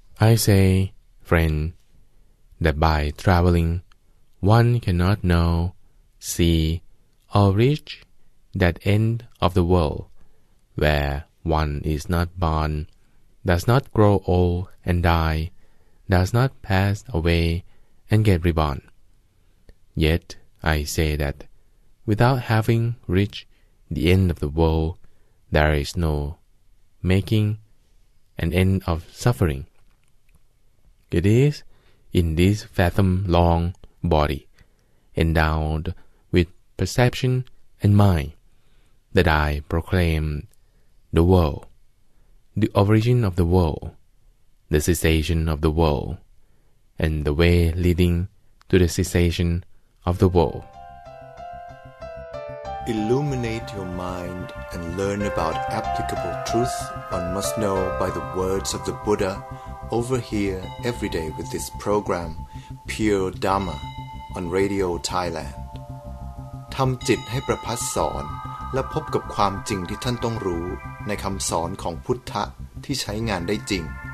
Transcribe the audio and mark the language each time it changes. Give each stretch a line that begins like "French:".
English: I say, friend, that by traveling, one cannot know, see, or reach that end of the world, where one is not born, does not grow old and die, does not pass away and get reborn. Yet I say thatWithout having reached the end of the world, there is no making an end of suffering. It is in this fathom-long body, endowed with perception and mind, that I proclaim the world, the origin of the world, the cessation of the world, and the way leading to the cessation of the world. Illuminate your mind and learn about applicable truth one must know by the words of the Buddha over here every day with this program Pure Dharma on Radio Thailand
Thai: ทำจิตให้ประพัสสอนและพบกับความจริงที่ท่านต้องรู้ในคำสอนของพุทธะที่ใช้งานได้จริง